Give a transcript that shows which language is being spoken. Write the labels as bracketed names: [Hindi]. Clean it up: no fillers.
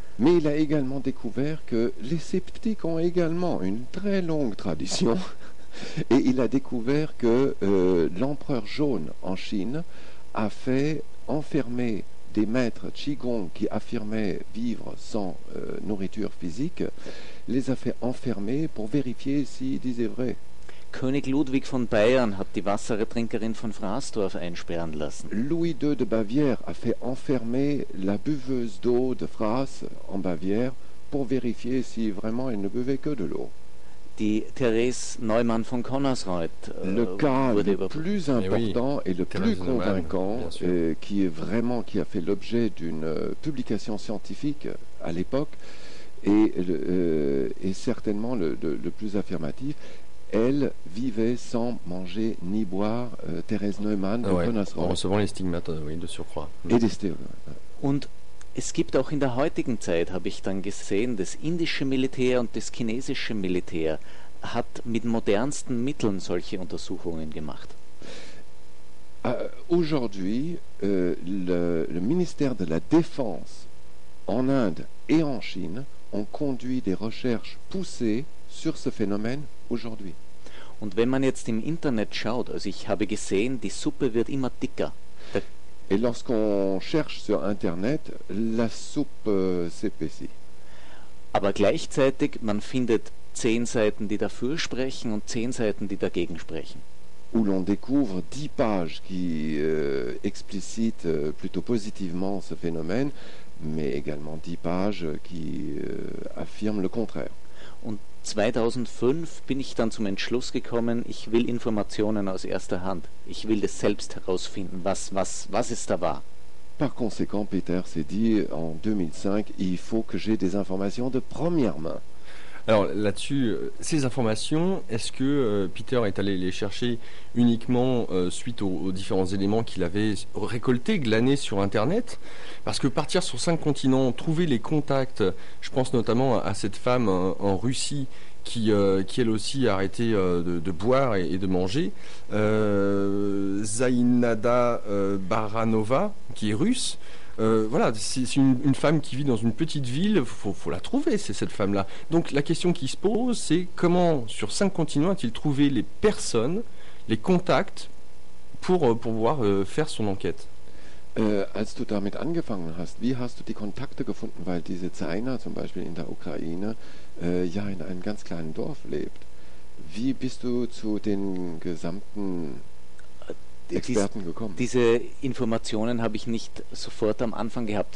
[French] Mais il a également découvert que les sceptiques ont également une très longue tradition. Et il a découvert que l'empereur jaune en Chine a fait enfermer des maîtres Qigong qui affirmaient vivre sans nourriture physique, les a fait enfermer pour vérifier s'ils disaient vrai. [German] König Ludwig von Bayern hat die Wassertrinkerin von Fransdorf einsperren lassen. [French] Louis II de Bavière a fait enfermer la buveuse d'eau de Fras en Bavière pour vérifier si vraiment elle ne buvait que de l'eau. [German] Die Therese Neumann von Konnersreuth. [French] Le cas le plus important et le plus convaincant, qui a fait l'objet d'une publication scientifique à l'époque, est certainement le plus affirmatif. Elle vivait sans manger ni boire, Thérèse Neumann, en recevant les stigmates de surcroît. Et des stigmates. [German] Und es gibt auch in der heutigen Zeit, habe ich dann gesehen, das indische Militär und das chinesische Militär hat mit modernsten Mitteln solche Untersuchungen gemacht. [French] Aujourd'hui, le ministère de la Défense en Inde et en Chine ont conduit des recherches poussées sur ce phénomène aujourd'hui. [German] Und wenn man jetzt im Internet schaut, also ich habe gesehen, die Suppe wird immer dicker. [French] Et lorsqu'on cherche sur Internet, la soupe s'épaissit. [German] Aber gleichzeitig, man findet 10 Seiten, die dafür sprechen und 10 Seiten, die dagegen sprechen. [French] où l'on découvre 10 pages qui explicitent plutôt positivement ce phénomène, mais également 10 pages qui affirment le contraire. [German] Und 2005 bin ich dann zum Entschluss gekommen, ich will Informationen aus erster Hand. Ich will das selbst herausfinden, was ist da wahr. [French] Par conséquent, Peter s'est dit en 2005, il faut que j'ai des informations de première main. Alors là-dessus, ces informations, est-ce que Peter est allé les chercher uniquement suite aux différents éléments qu'il avait récoltés, glanés sur Internet? Parce que partir sur 5 continents, trouver les contacts, je pense notamment à cette femme en Russie qui elle aussi a arrêté de boire et de manger, Zainada Baranova, qui est russe. Voilà, c'est une femme qui vit dans une petite ville, faut la trouver, c'est cette femme-là. Donc la question qui se pose, c'est comment, sur 5 continents, a-t-il trouvé les personnes, les contacts, pour pouvoir faire son enquête? [German] Als du damit angefangen hast, wie hast du die Kontakte gefunden, weil diese Zaina zum Beispiel in der Ukraine ja in einem ganz kleinen Dorf lebt. Wie bist du zu den gesamten Experten gekommen? Diese Informationen habe ich nicht sofort am Anfang gehabt.